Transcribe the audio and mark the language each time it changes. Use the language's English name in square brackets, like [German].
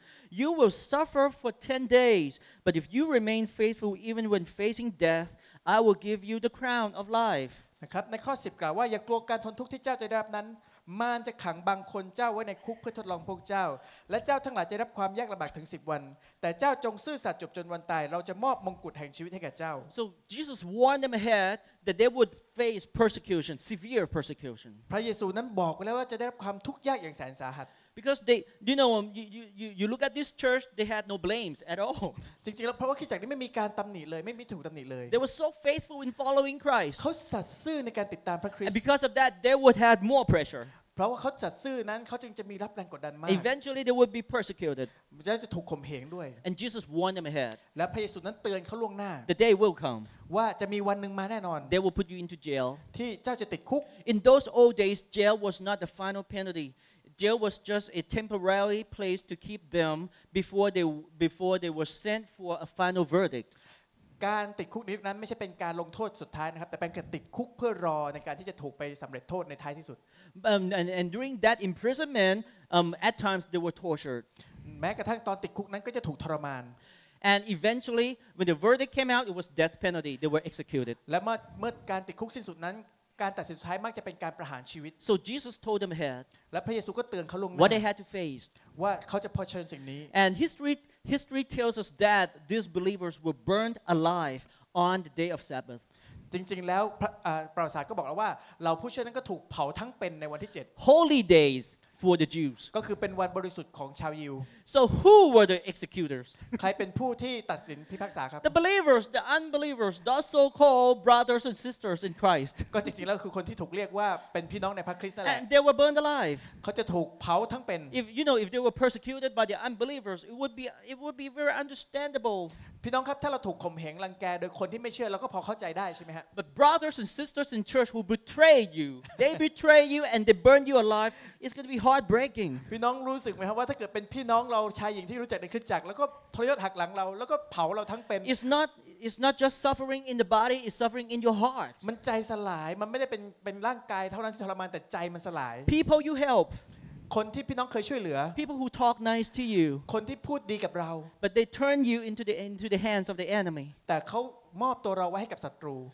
[English] You will suffer for 10 days. But if you remain faithful even when facing death, I will give you the crown of life." [Thai] นะครับในข้อ10กล่าวว่าอย่ากลัวการทนทุกข์ที่เจ้าจะได้รับนั้นมารจะขังบางคนเจ้าไว้ในคุกเพื่อทดลองพวกเจ้าและเจ้าทั้งหลายจะรับความยากลำบากถึง10วันแต่เจ้าจงซื่อสัตย์จบจนวันตายเราจะมอบมงกุฎแห่งชีวิตให้แก่เจ้า [English] So Jesus warned them ahead that they would face persecution severe persecution [Thai] พระเยซูนั้นบอกไว้แล้วว่าจะได้รับความทุกข์ยากอย่างแสนสาหัส [English] Because they you know you look at this church they had no blames at all [Thai] จริงๆแล้วเพราะว่าคริสตจักรนี้ไม่มีการตําหนิเลยไม่มีถูกตําหนิเลย [English] They were so faithful in following Christ [Thai] เขาสัตย์ซื่อในการติดตามพระคริสต์ [English] And because of that they would have more pressure [Thai] เพราะว่าเขาจัดซื่อนั้นเขาจึงจะมีรับแรงกดดันมาก [English] Eventually they would be persecuted [Thai] จะถูกข่มเหงด้วย [English] And Jesus warned them ahead [Thai] และพระเยซูนั้นเตือนเขาล่วงหน้า [English] The day will come [Thai] ว่าจะมีวันนึงมาแน่นอน [English] They will put you into jail [Thai] ที่เจ้าจะติดคุก [English] In those old days jail was not the final penalty jail was just a temporary place to keep them before they were sent for a final verdict [Thai] การติดคุกนี้นั้นไม่ใช่เป็นการลงโทษสุดท้ายนะครับแต่เป็นการติดคุกเพื่อรอในการที่จะถูกไปสำเร็จโทษในท้ายที่สุด [English] and during that imprisonment at times they were tortured [Thai] แม้กระทั่งตอนติดคุกนั้นก็จะถูกทรมาน [English] And eventually, when the verdict came out, it was death penalty. They were executed. [Thai] และเมื่อการติดคุกสิ้นสุดนั้นการตัดสินสุดท้ายมักจะเป็นการประหารชีวิต [English] So Jesus told them ahead. [Thai] และพระเยซูก็เตือนเขาล่วงหน้า [English] What they had to face. [Thai] ว่าเขาจะเผชิญสิ่งนี้ [English] And history tells us that these believers were burned alive on the day of Sabbath. [Thai] จริงๆแล้วประวัติศาสตร์ก็บอกแล้วว่าเราผู้เชื่อนั้นก็ถูกเผาทั้งเป็นในวันที่7 [English] Holy days for the Jews [Thai] ก็คือเป็นวันบริสุทธิ์ของชาวยิว [English] So who were the executors [Thai] ใครเป็นผู้ที่ตัดสินพิพากษาครับ [English] The believers the unbelievers the so called brothers and sisters in Christ [Thai] ก็จริงๆแล้วคือคนที่ถูกเรียกว่าเป็นพี่น้องในพระคริสต์นั่นแหละ [English] And they were burned alive [Thai] เขาจะถูกเผาทั้งเป็น [English] If you know if they were persecuted by the unbelievers it would be very understandable [Thai] พี่น้องครับถ้าเราถูกข่มเหงรังแกโดยคนที่ไม่เชื่อเราก็พอเข้าใจได้ใช่ไหมฮะ [English] But brothers and sisters in church who betray you they betray you and they burn you alive it's going to be heartbreaking [Thai] พี่น้องรู้สึกไหมครับว่าถ้าเกิดเป็นพี่น้องเราชายหญิงที่รู้จักในคริสตจักรแล้วก็ทรยศหักหลังเราแล้วก็เผาเราทั้งเป็น [English] It's not just suffering in the body it's suffering in your heart [Thai] มันใจสลายมันไม่ได้เป็นร่างกายเท่านั้นที่ทรมานแต่ใจมันสลาย [English] People you help [Thai] คนที่พี่น้องเคยช่วยเหลือ [English] people who talk nice to you [Thai] คนที่พูดดีกับเรา [English] but they turn you into the hands of the enemy [Thai] แต่เขามอบตัวเราไว้ให้กับศัตรู